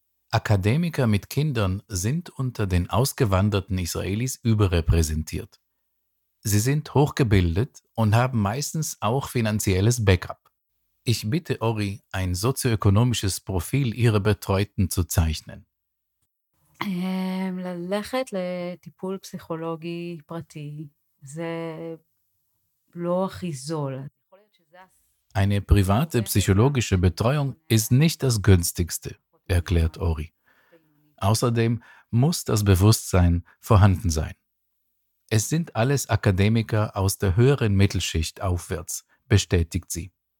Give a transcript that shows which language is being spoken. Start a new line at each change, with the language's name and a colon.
German: Akademiker mit Kindern sind unter den ausgewanderten Israelis überrepräsentiert. Sie sind hochgebildet und haben meistens auch finanzielles Backup. Ich bitte Ori, ein sozioökonomisches Profil ihrer Betreuten zu zeichnen.
Hebrew: ללכת לטיפול פסיכולוגי פרטי, זה לא הכי זול.
German: Eine private psychologische Betreuung ist nicht das günstigste, erklärt Ori. Außerdem muss das Bewusstsein vorhanden sein. Es sind alles Akademiker aus der höheren Mittelschicht aufwärts, bestätigt sie.